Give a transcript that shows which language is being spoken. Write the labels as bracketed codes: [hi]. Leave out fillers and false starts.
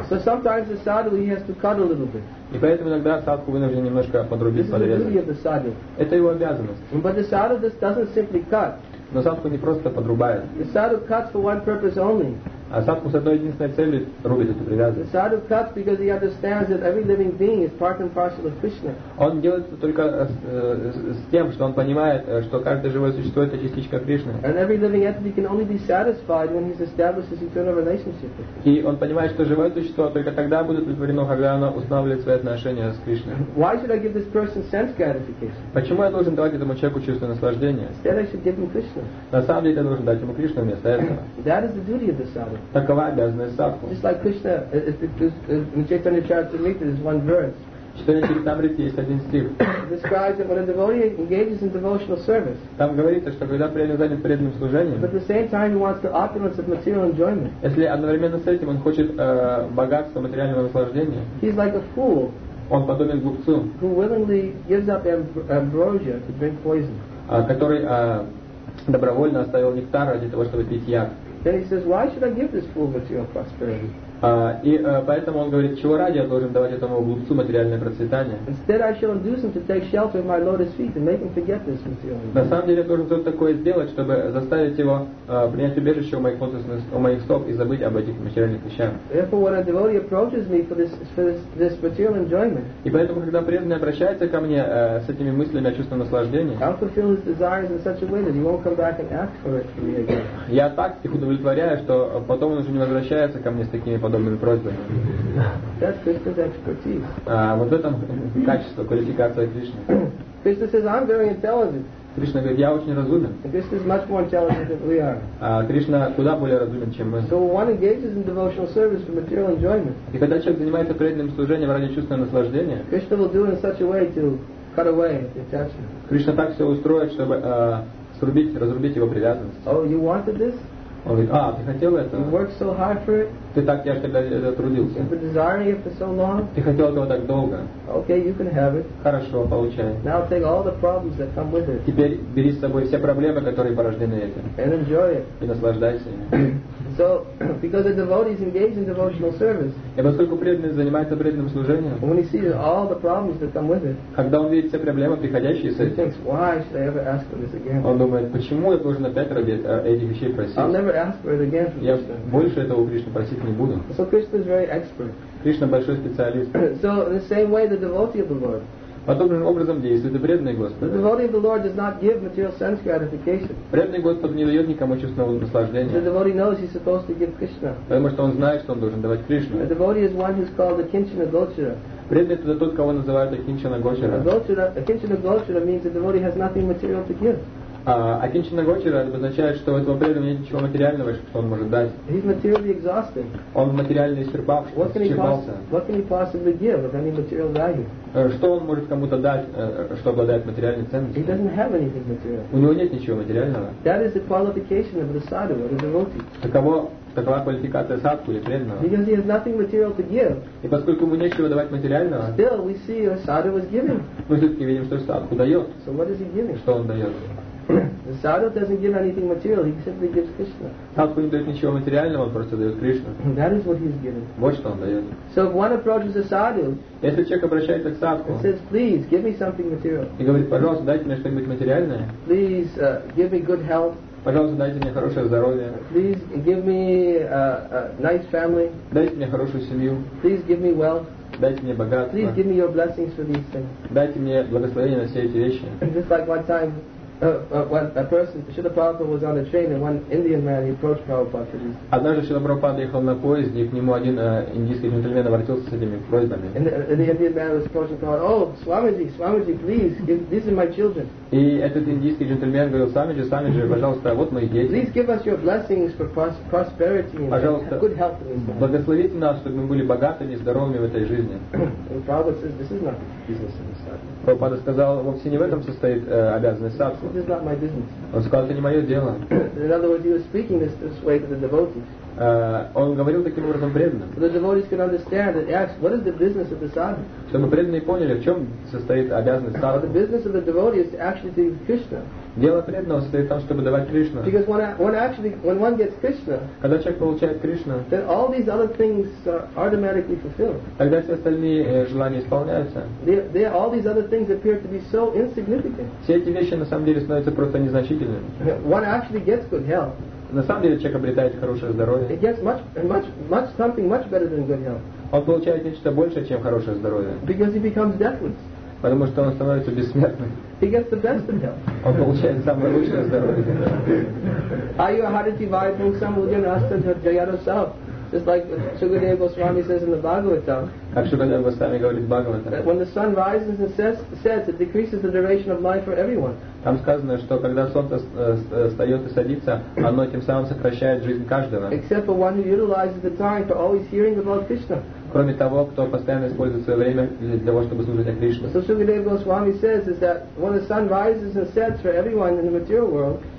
[en] So sometimes the sadhu he has to cut a little bit. [ru] И поэтому иногда садху вынужден немножко подрубить, подрезать. [en] This is the duty of the sadhu. [ru] Это его обязанность. [en] But the sadhu just doesn't simply cut. [ru] Но садху не просто подрубает. [en] The sadhu cuts for one purpose only. [ru] А садху с одной единственной целью рубит эту привязанность. [en] Sadhu cuts because he understands that every living being is part and parcel of Krishna. [ru] Он делает это только с тем, что он понимает, что каждое живое существо это частичка Кришны. [en] And every living entity can only be satisfied when he establishes eternal relationship with [ru] Krishna. И он понимает, что живое существо только тогда будет удовлетворено, когда оно устанавливает свои отношения с Кришной. [en] Why should I give this person sense gratification? [ru] Почему я должен давать этому человеку чувство наслаждения? [en] Instead I should give him Krishna. [ru] На самом деле я должен дать ему Кришну вместо этого. [en] That is the duty of the sadhu. [ru] Такова обязанность садху. [en] Just like Krishna, in Chaitanya Charitamrita, there's one verse. [ru] Chaitanya Charitamrita есть один стих. [en] Describes that when a devotee engages in devotional service. [ru] Там говорится, что когда преданный занят преданным служением. [en] But at the same time he wants the opulence of material enjoyment. [ru] Если одновременно с этим он хочет богатства материального наслаждения. [en] He's like a fool. [ru] Он подобен глупцу. [en] Who willingly gives up ambrosia to drink poison. [ru] Который добровольно оставил нектар ради того, чтобы пить яд. [en] Then he says, why should I give this fool material prosperity? [ru] Поэтому он говорит, чего ради я должен давать этому глупцу материальное процветание? [en] Instead, I shall induce him to take shelter in my lotus feet and make him forget this material. [ru] На самом деле, я должен что-то такое сделать, чтобы заставить его принять убежище у моих лотосных, у моих стоп и забыть об этих материальных вещах. [en] Therefore, when a devotee approaches me for this material enjoyment, [ru] и поэтому, когда преданный обращается ко мне с этими мыслями о чувстве наслаждения, [en] I'll fulfill his desires in such a way that he won't come back and ask for it from me again. [ru] Я так их удовлетворяю, что потом он уже не возвращается ко мне с такими подобными просьбами. [en] That's Krishna's expertise. [ru] Вот в этом качество, квалификация Кришны. [en] Krishna says, I'm very intelligent. [ru] Кришна говорит, я очень разумен. [en] Krishna is much more intelligent than we are. [ru] Кришна куда более разумен, чем мы. [en] So one engages in devotional service for material enjoyment. [ru] И когда человек занимается преданным служением ради чувственного наслаждения, [en] Krishna will do it in such a way to cut away attachment. [ru] Кришна так все устроит, чтобы разрубить его привязанность. [en] Oh, you wanted this? [ru] Он говорит, ты хотел это? [en] You worked so hard for it? [ru] Ты так тяжко трудился? [en] You've been desiring it for so long? [ru] Ты хотел этого так долго? [en] Okay, you can have it. [ru] Хорошо, получай. [en] Now take all the problems that come with it. [ru] Теперь бери с собой все проблемы, которые порождены этим. [en] And enjoy it. [ru] И наслаждайся ими. [en] So, because the devotee is engaged in devotional service, [ru] и поскольку преданный занимается преданным служением, [en] when he sees all the problems that come with it, [ru] когда он видит все проблемы, приходящие с этим, [en] he thinks, why should I ever ask for this again? [ru] Он думает, почему я должен опять ради этих вещей просить? [en] I'll never ask for it again. [ru] Я больше этого у Кришны просить не буду. [en] So Krishna is very expert. [ru] Кришна большой специалист. [en] So in the same way, the devotee of the Lord. [ru] Подобным образом действует и преданный Господь. [en] The devotee of the Lord does not give material sense gratification. [ru] Преданный Господь не дает никому чувственного наслаждения. [en] The devotee knows he's supposed to give Krishna. [ru] Потому что он знает, что он должен давать Кришну. [en] The devotee is one who's called a kinchana gochara. [ru] Преданный это тот, кого называют акинчана гочара. [en] A kinchana gochara means the devotee has nothing material to give. [ru] Акинчана гочара означает, что у этого преданного нет ничего материального, что он может дать. [en] He's materially exhausted. [ru] Он материально исчерпался. [en] What can he possibly give with any material value? [ru] Что он может кому-то дать, что обладает материальной ценностью? [en] He doesn't have anything material. [ru] У него нет ничего материального. [en] That is the qualification of the sadhu or the devotee. [ru] Такова квалификация садху или преданного. [en] Because he has nothing material to give. [ru] И поскольку ему нечего давать материального. [en] Still we see a sadhu is giving. [ru] Мы все-таки видим, что садху дает. [en] So what is he giving? [ru] Что он дает? [en] The sadhu doesn't give anything material. He simply gives Krishna. [ru] Садху не дает ничего материального, он просто дает Кришну. [en] That is what he is giving. [ru] Вот что он дает. [en] So if one approaches a sadhu. [ru] Если человек обращается к садху. [en] Says, please give me something material. [ru] И говорит, пожалуйста, дайте мне что-нибудь материальное. [en] Please give me good health. [ru] Пожалуйста, дайте мне хорошее здоровье. [en] Please give me a nice family. [ru] Дайте мне хорошую семью. [en] Please give me wealth. [ru] Дайте мне богатство. [en] Please give me your blessings for these things. [ru] Дайте мне благословение на все эти вещи. [en] Just like one time. A person, Śrīla Prabhupāda was on a train, and one Indian man he approached Prabhupāda. [ru] Однажды Śrīla Prabhupāda ехал на поезде, и к нему один индийский джентльмен обратился с этими просьбами. [en] And the Indian man was approaching Prabhupāda. Oh, Swamiji, please, these are my children. [ru] И этот индийский джентльмен говорил: Swamiji, пожалуйста, вот мои дети. [en] Please give us your blessings for prosperity and good health in this life. [ru] Благословите нас, чтобы мы были богатыми и здоровыми в этой жизни. [en] Prabhupāda says, this is not business in the sadhu. [ru] Prabhupāda сказал, вовсе не в этом состоит обязанность садху. [en] This is not my business. [ru] Он сказал, это не мое дело. [en] In other words, he was speaking this way to the devotees. [ru] Он говорил таким образом преданным. [en] So the devotees can understand and ask, what is the business of the sadhu? [ru] Чтобы преданные поняли, в чем состоит обязанность садху. [en] The business of the devotee is to actually give Krishna. [ru] Дело преданного состоит в том, чтобы давать Кришну. [en] Because when one gets Krishna, [ru] когда человек получает Кришну, [en] then all these other things are automatically fulfilled. [ru] Тогда все остальные желания исполняются. [en] All these other things appear to be so insignificant. [ru] Все эти вещи на самом деле становятся просто незначительными. [en] One actually gets good health. [ru] На самом деле человек обретает хорошее здоровье. [en] It gets much something much better than good health. [ru] Он получает нечто большее, чем хорошее здоровье. [en] Because he becomes deathless. [ru] Потому что он становится бессмертным. [en] He gets the best of health. [ru] Он получает самое лучшее здоровье. [sa] Are you a hariti vaipung samudyan astanta jayaro sab? [en] Just like Sukadeva Goswami says in the Bhagavatam. [ru] Как Сукадева Госвами говорит в Бхагаватам. [en] When the sun rises and sets, it decreases the duration of life for everyone. [ru] Там сказано, что когда солнце встает и садится, оно тем самым сокращает жизнь каждого. [en] Except for one who utilizes the time for always hearing about Krishna. [ru] Кроме того, кто постоянно использует свое время для того, чтобы служить о Кришне. [en] So Sukadeva Goswami says is that when the sun rises and sets for everyone in the material world.